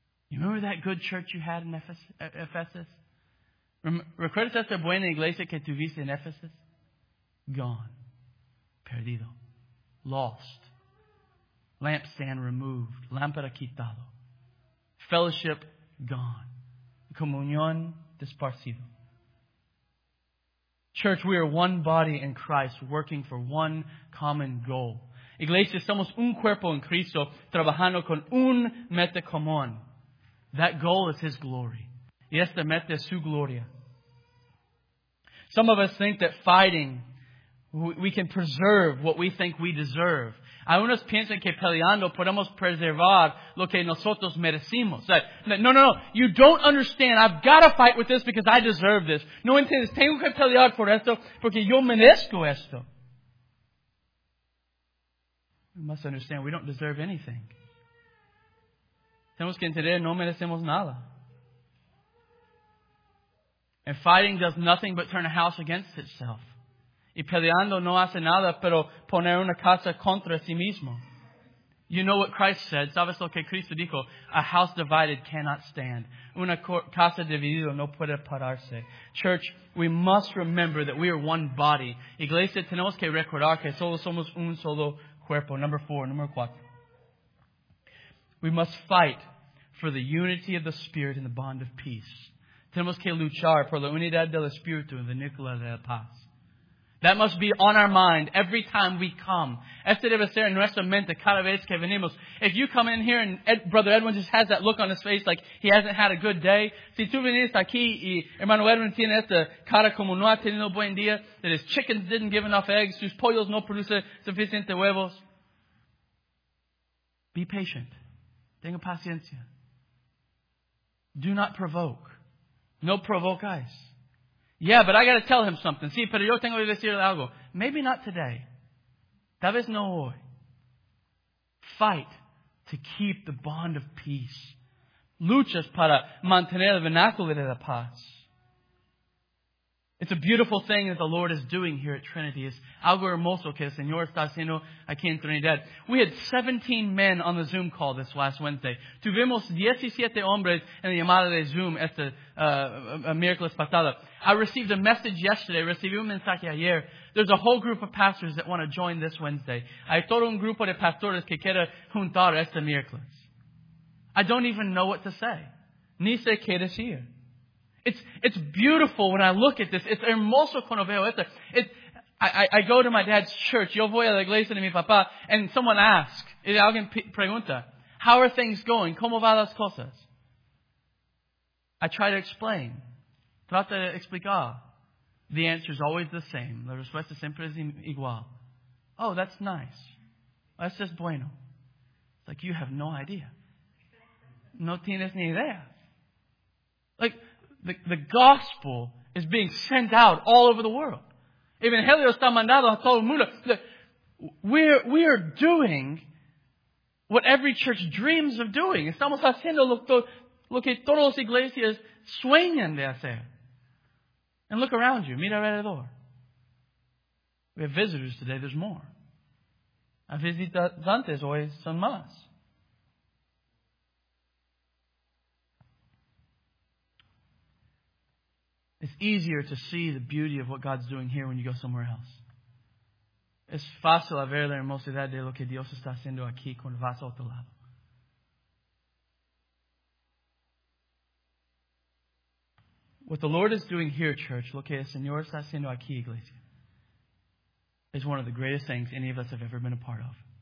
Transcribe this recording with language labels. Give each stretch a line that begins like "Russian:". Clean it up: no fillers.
English: You remember that good church you had in Ephesus?
Spanish: ¿Recuerdas esa buena iglesia que tuviste en Ephesus?
English: Gone.
Spanish: Perdido.
English: Lost. Lampstand removed.
Spanish: Lámpara quitado.
English: Fellowship gone.
Spanish: Comunión desparcido.
English: Church, we are one body in Christ working for one common goal.
Spanish: Iglesia, somos un cuerpo en Cristo trabajando con un meta común.
English: That goal is His glory.
Spanish: Y esta meta es su gloria.
English: Some of us think that fighting we can preserve what we think we deserve.
Spanish: Algunos piensan que peleando podemos preservar lo que nosotros merecimos.
English: No. You don't understand. I've got to fight with this because I deserve this.
Spanish: No entiendes. Tengo que pelear por esto porque yo merezco esto.
English: You must understand, we don't deserve anything.
Spanish: Tenemos que entender, no merecemos nada.
English: And fighting does nothing but turn a house against itself.
Spanish: Y peleando no hace nada, pero poner una casa contra sí mismo.
English: You know what Christ said.
Spanish: ¿Sabes lo que Cristo dijo?
English: A house divided cannot stand.
Spanish: Una casa dividida no puede pararse.
English: Church, we must remember that we are one body.
Spanish: Iglesia, tenemos que recordar que solo somos un solo cuerpo.
English: Number four. We must fight for the unity of the Spirit and the bond of peace.
Spanish: Tenemos que luchar por la unidad del Espíritu y la vínculo de la paz.
English: That must be on our mind every time we come.
Spanish: Este debe ser en nuestra mente cada vez que venimos.
English: If you come in here and Brother Edwin just has that look on his face like he hasn't had a good day.
Spanish: Si tú vienes aquí y hermano Edwin tiene esta cara como no ha tenido buen día,
English: that his chickens didn't give enough eggs,
Spanish: sus pollos no producen suficientes huevos.
English: Be patient.
Spanish: Tenga paciencia.
English: Do not provoke.
Spanish: No provocáis.
English: Yeah, but I got to tell him something.
Spanish: Sí, pero yo tengo que decirle algo.
English: Maybe not today.
Spanish: Tal vez no hoy.
English: Fight to keep the bond of peace.
Spanish: Luchas para mantener el vínculo de la paz.
English: It's a beautiful thing that the Lord is doing here at Trinity.
Spanish: Es algo hermoso que el Señor está haciendo aquí en Trinidad.
English: We had 17 men on the Zoom call this last Wednesday.
Spanish: Tuvimos 17 hombres en la llamada de Zoom este miércoles pasado.
English: I received a message yesterday.
Spanish: Recibí un mensaje ayer.
English: There's a whole group of pastors that want to join this Wednesday.
Spanish: Hay todo un grupo de pastores que quiere juntar este miércoles.
English: I don't even know what to say.
Spanish: Ni sé qué decir.
English: It's beautiful when I look at this. It's hermoso cuando veo esto. I go to my dad's church.
Spanish: Yo voy a la iglesia de mi papá.
English: And someone asks.
Spanish: Alguien pregunta.
English: How are things going?
Spanish: ¿Cómo van las cosas?
English: I try to explain.
Spanish: Trata de explicar.
English: The answer is always the same.
Spanish: La respuesta siempre es igual.
English: Oh, that's nice. That's just bueno. It's like, you have no idea.
Spanish: No tienes ni idea.
English: Like, the gospel is being sent out all over the world.
Spanish: Evangelio está mandado a todo el mundo.
English: We are doing what every church dreams of doing.
Spanish: Estamos haciendo lo que todas las iglesias sueñan de hacer.
English: And look around you.
Spanish: Mira alrededor.
English: We have visitors today. There's more.
Spanish: A visitantes hoy son más.
English: It's easier to see the beauty of what God's doing here when you go somewhere else.
Spanish: Es fácil a ver la hermosidad de lo que Dios está haciendo aquí cuando vas a otro lado.
English: What the Lord is doing here, church,
Spanish: lo que el Señor está haciendo aquí, iglesia,
English: is one of the greatest things any of us have ever been a part of.